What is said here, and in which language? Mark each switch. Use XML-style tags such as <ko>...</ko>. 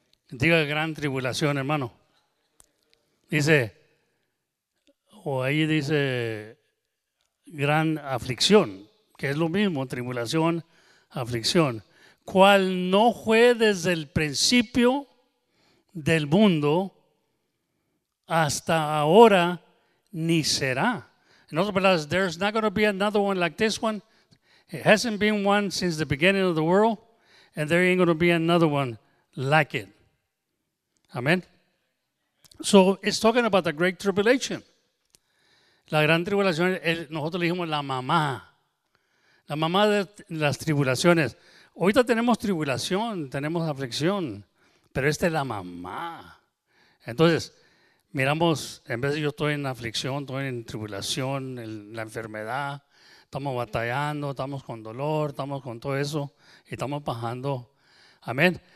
<es>Diga gran tribulación, hermano. Dice, o ahí dice, gran aflicción, que es lo mismo, tribulación, aflicción, cual no fue desde el principio del mundo hasta ahora ni será. En otras palabras,</es> <en>there's not going to be another one like this one. It hasn't been one since the beginning of the world, and there ain't going to be another one like it. Amen. So it's talking about the great tribulation.</en> <es>La gran tribulación, nosotros le dijimos la mamá de las tribulaciones. Ahorita tenemos tribulación, tenemos aflicción, pero esta es la mamá. Entonces, miramos, en vez de yo estoy en aflicción, estoy en tribulación, en la enfermedad, estamos batallando, estamos con dolor, estamos con todo eso, y estamos bajando. Amén.</es>